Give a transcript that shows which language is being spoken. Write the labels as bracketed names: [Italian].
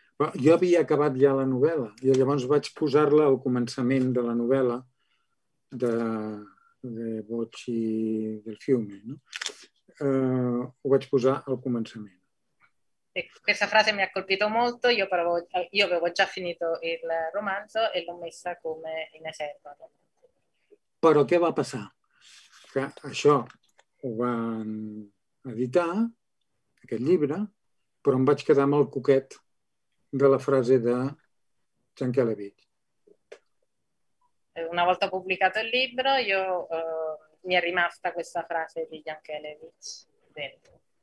[Catalan] Però jo havia acabat ja la novel·la i llavors vaig posar-la al començament de la novel·la de Voci del Fiume, no? Ho vaig posar al començament. [Italian] E questa frase mi ha colpito molto, io però io avevo già finito il romanzo e l'ho messa come in esergo. [Catalan] Però què va passar? Que això ho van editar, aquest llibre, però em vaig quedar amb el cuquet de la frase de Jankélévitx. [Italian] Una volta pubblicato il libro, mi è rimasta questa frase di Jankélévitx dentro.